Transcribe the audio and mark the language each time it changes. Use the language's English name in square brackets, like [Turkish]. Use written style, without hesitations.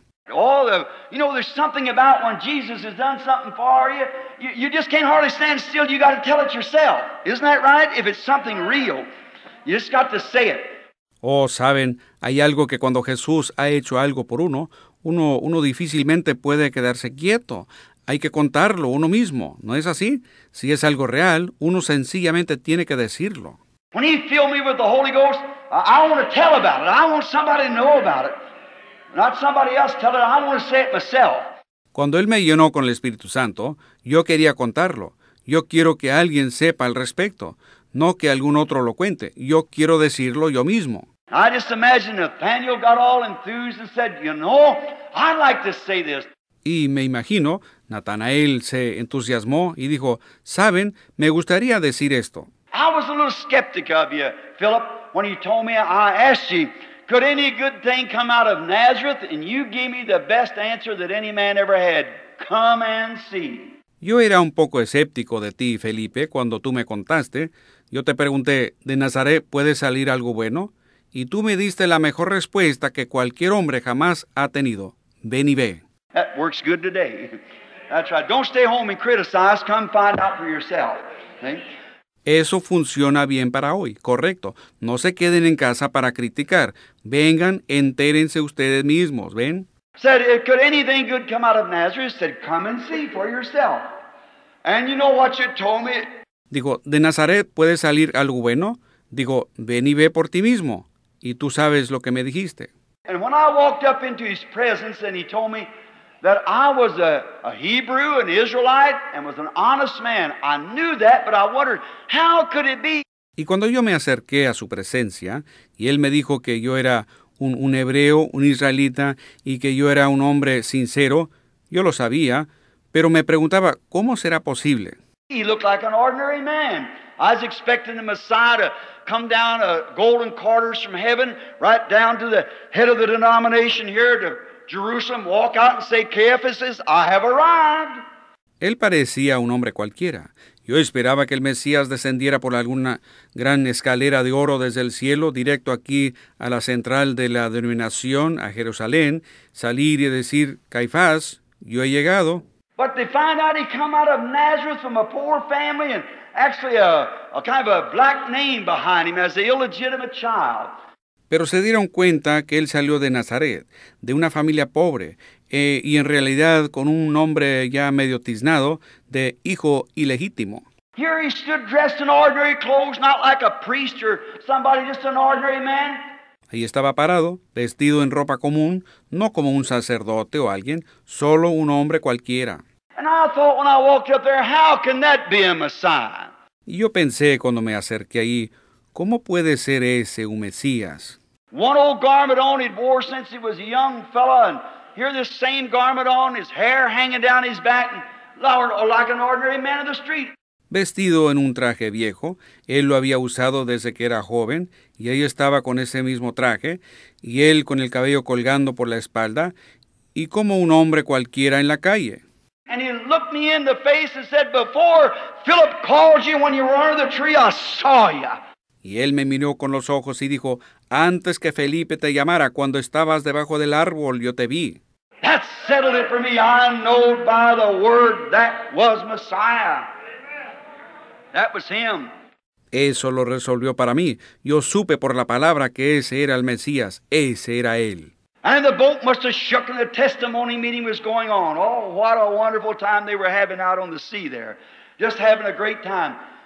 [English] Oh, you know, there's something about when Jesus has done something for you. You just can't hardly stand still. You got to tell it yourself. Isn't that right? If it's something real, you just got to say it. [Spanish] Oh, saben, hay algo que cuando Jesús ha hecho algo por uno, uno difícilmente puede quedarse quieto. Hay que contarlo uno mismo, ¿no es así? Si es algo real, uno sencillamente tiene que decirlo. [English] When he filled me with the Holy Ghost, I want to tell about it. I want somebody to know about it. Not somebody else tell it, I want to say it myself. [Spanish] Cuando él me llenó con el Espíritu Santo, yo quería contarlo. Yo quiero que alguien sepa al respecto, no que algún otro lo cuente. Yo quiero decirlo yo mismo. [English] I just imagine Nathaniel got all enthused and said, you know, I'd like to say this. [Spanish] Y me imagino, Natanael se entusiasmó y dijo, saben, me gustaría decir esto. [English] I was a little skeptic of you, Philip, when you told me, I asked you, could any good thing come out of Nazareth? And you gave me the best answer that any man ever had. Come and see. [Spanish] Yo era un poco escéptico de ti, Felipe, cuando tú me contaste. Yo te pregunté, ¿de Nazaret puede salir algo bueno? Y tú me diste la mejor respuesta que cualquier hombre jamás ha tenido. Ven y ve. [English] That works good today. That's right. Don't stay home and criticize. Come find out for yourself. Okay? [Spanish] Eso funciona bien para hoy. Correcto. No se queden en casa para criticar. Vengan, entérense ustedes mismos. ¿Ven? [English] Said, could anything good come out of Nazareth? Said, come and see for yourself. And you know what you told me? [Spanish] Digo, ¿de Nazaret puede salir algo bueno? Digo, ven y ve por ti mismo. Y tú sabes lo que me dijiste. [English] And when I walked up into his presence and he told me, that I was a Hebrew, an Israelite, and was an honest man. I knew that, but I wondered, how could it be? [Spanish] Y cuando yo me acerqué a su presencia, y él me dijo que yo era un hebreo, un israelita, y que yo era un hombre sincero, yo lo sabía, pero me preguntaba, ¿cómo será posible? [English] He looked like an ordinary man. I was expecting the Messiah to come down a golden quarters from heaven, right down to the head of the denomination here to Jerusalem, walk out and say, Caiaphas, I have arrived. [Spanish] Él parecía un hombre cualquiera. Yo esperaba que el Mesías descendiera por alguna gran escalera de oro desde el cielo, directo aquí a la central de la denominación, a Jerusalén, salir y decir, Caifás, yo he llegado. [English] But they find out he come out of Nazareth from a poor family and actually a kind of a black name behind him as an illegitimate child. [Spanish] Pero se dieron cuenta que él salió de Nazaret, de una familia pobre, y en realidad con un nombre ya medio tiznado de hijo ilegítimo. [English] Here he stood dressed in ordinary clothes, not like a priest or somebody, just an ordinary man. [Spanish] Ahí estaba parado, vestido en ropa común, no como un sacerdote o alguien, solo un hombre cualquiera. [English] And I thought when I walked up there, how can that be a Messiah? [Spanish] Y yo pensé cuando me acerqué ahí, ¿cómo puede ser ese un Mesías? [English] One old garment on he'd wore since he was a young fella, and here this same garment on, his hair hanging down his back, like an ordinary man of the street. [Spanish] Vestido en un traje viejo, él lo había usado desde que era joven, y ahí estaba con ese mismo traje, y él con el cabello colgando por la espalda, y como un hombre cualquiera en la calle. [English] And he looked me in the face and said, before Philip called you when you were under the tree, I saw you. [Spanish] Y él me miró con los ojos y dijo, antes que Felipe te llamara, cuando estabas debajo del árbol, yo te vi. [English] That settled it for me. I know by the word that was Messiah. That was him. [Spanish] Eso lo resolvió para mí. Yo supe por la palabra que ese era el Mesías. Ese era él. [English] And the boat must have shook and the testimony meeting was going on. Oh, what a wonderful time they were having out on the sea there. Just having a great time.